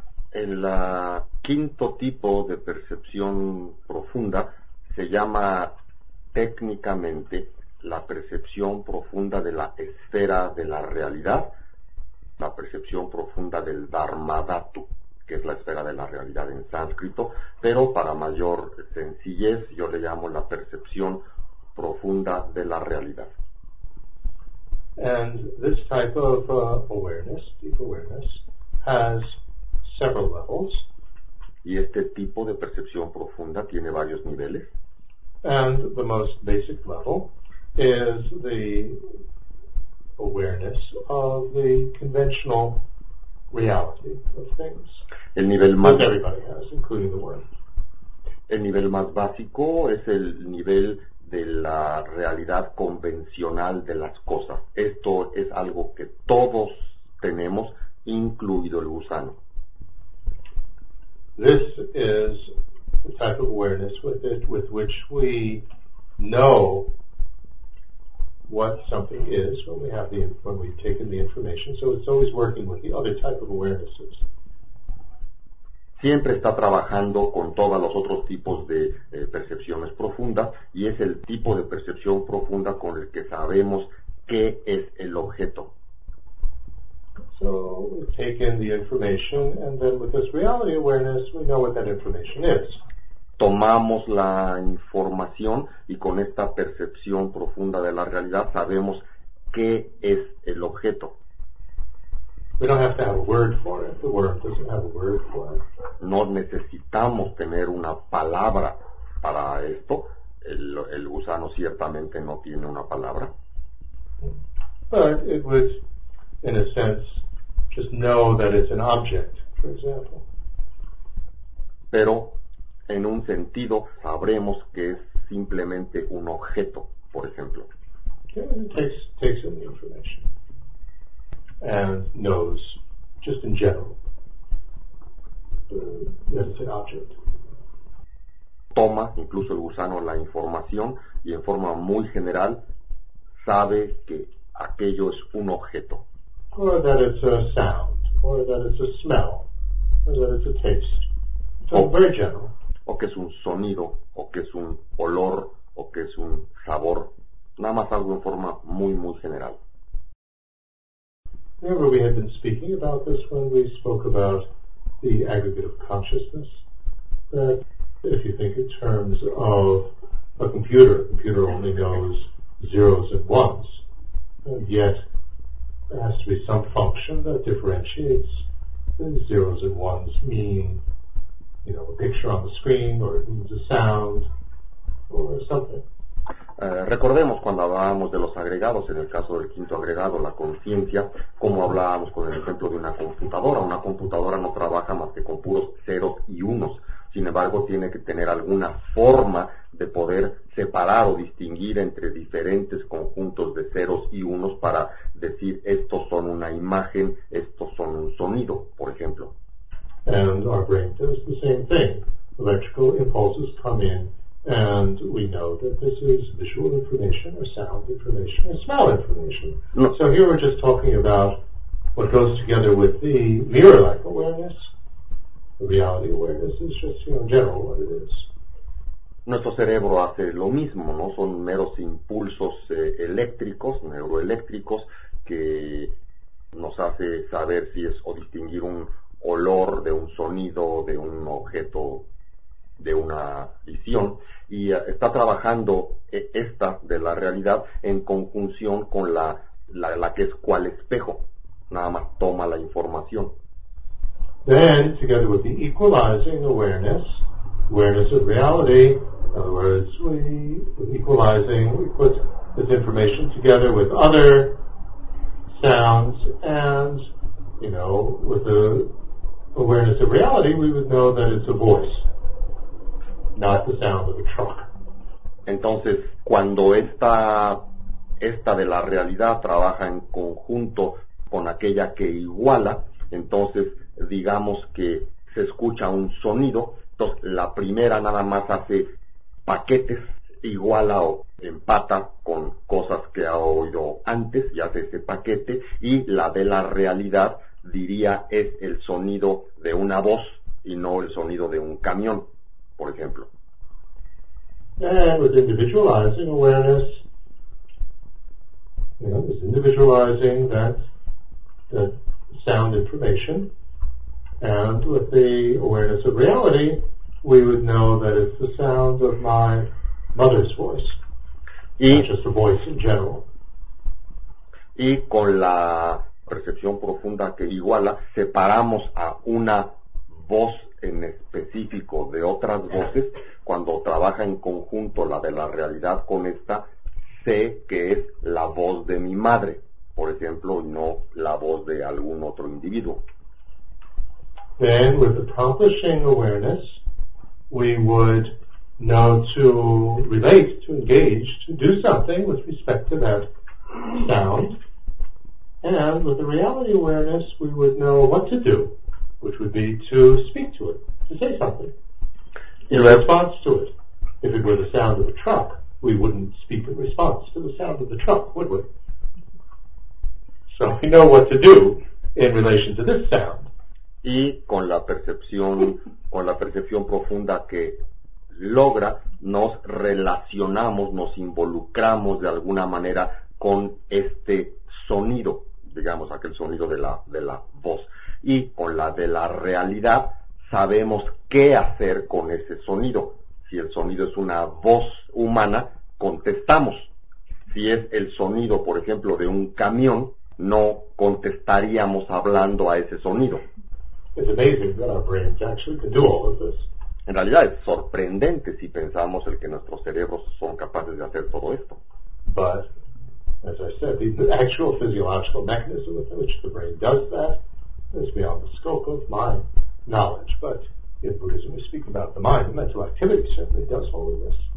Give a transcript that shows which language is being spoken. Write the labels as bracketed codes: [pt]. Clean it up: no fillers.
[es] En la quinto tipo de percepción profunda se llama técnicamente la percepción profunda de la esfera de la realidad, la percepción profunda del Dharma Dhatu, que es la esfera de la realidad en sánscrito, pero para mayor sencillez yo le llamo la percepción profunda de la realidad. [en] And this type of awareness, deep awareness, has several levels. [es] Y este tipo de percepción profunda tiene varios niveles. [en] And the most basic level is the awareness of the conventional reality of things. [es] El nivel más [en] that everybody has, including the world. [es] El nivel más básico es el nivel de la realidad convencional de las cosas. Esto es algo que todos tenemos, incluido el gusano. [en] This is the type of awareness with it with which we know what something is when we have the when we've taken the information. So it's always working with the other type of awarenesses. [es] Siempre está trabajando con todos los otros tipos de percepciones profundas y es el tipo de percepción profunda con el que sabemos qué es el objeto. [en] So we take in the information and then with this reality awareness we know what that information is. [es] Tomamos la información y con esta percepción profunda de la realidad sabemos qué es el objeto. [en] We don't have to have a word for it. The world doesn't have a word for it. [es] No necesitamos tener una palabra para esto. El gusano ciertamente no tiene una palabra. [en] But it would, in a sense, just know that it's an object, for example. [es] Pero, en un sentido, sabremos que es simplemente un objeto, por ejemplo. [en] Yeah, it takes in the information. And knows, just in general, that it's an object. [es] Toma, incluso el gusano, la información y en forma muy general sabe que aquello es un objeto. [en] Or that it's a sound, or that it's a smell, or that it's a taste. So very general. [es] O que es un sonido, o que es un olor, o que es un sabor. Nada más algo en forma muy, muy general. [en] Remember we had been speaking about this when we spoke about the aggregate of consciousness, that if you think in terms of a computer only knows zeros and ones, and yet there has to be some function that differentiates these zeros and ones, meaning, you know, a picture on the screen, or it means a sound, or something. [es] Recordemos cuando hablábamos de los agregados, en el caso del quinto agregado, la conciencia, como hablábamos con el ejemplo de una computadora no trabaja más que con puros ceros y unos, sin embargo tiene que tener alguna forma de poder separar o distinguir entre diferentes conjuntos de ceros y unos para decir estos son una imagen, estos son un sonido, por ejemplo. [en] And our brain does the same thing. Electrical impulses come in. And we know that this is visual information, or sound information, or smell information. [es] No. [en] So here we're just talking about what goes together with the mirror-like awareness. The reality awareness is just, you know, in general what it is. [es] Nuestro cerebro hace lo mismo, ¿no? Son meros impulsos eléctricos, neuroeléctricos, que nos hace saber si es o distinguir un olor de un sonido, de un objeto, de una visión, y está trabajando esta de la realidad en conjunción con la que es cual espejo, nada más toma la información. [en] Then, together with the equalizing awareness, awareness of reality, in other words, we put this information together with other sounds, and, you know, with the awareness of reality, we would know that it's a voice. Not the sound of the truck. [es] Entonces, cuando esta de la realidad trabaja en conjunto con aquella que iguala, entonces digamos que se escucha un sonido Entonces, la primera nada más hace paquetes, iguala o empata con cosas que ha oído antes y hace ese paquete, y la de la realidad diría es el sonido de una voz y no el sonido de un camión, por ejemplo. [en] And with individualizing awareness, you know, is individualizing that sound information, and with the awareness of reality, we would know that it's the sound of my mother's voice, y, not just a voice in general. [es] Y con la percepción profunda que iguala, separamos a una voz en específico de otras voces. Cuando trabaja en conjunto la de la realidad con esta, sé que es la voz de mi madre, por ejemplo, y no la voz de algún otro individuo. [en] Then, with accomplishing awareness, we would know to relate, to engage, to do something with respect to that sound. And with the reality awareness, we would know what to do, which would be to speak to it, to say something. In response to it, if it were the sound of a truck, we wouldn't speak in response to the sound of the truck, would we? So we know what to do in relation to this sound. [es] Y con la percepción profunda que logra, nos relacionamos, nos involucramos de alguna manera con este sonido, digamos aquel sonido de la voz. Y con la de la realidad, sabemos qué hacer con ese sonido. Si el sonido es una voz humana, contestamos. Si es el sonido, por ejemplo, de un camión, no contestaríamos hablando a ese sonido. [en] It's amazing that our brains actually can do all of this. [es] En realidad es sorprendente si pensamos el que nuestros cerebros son capaces de hacer todo esto. [en] But, as I said, the actual physiological mechanism with which the brain does that is beyond the scope of my knowledge, but in Buddhism we speak about the mind, the mental activity certainly does all of this.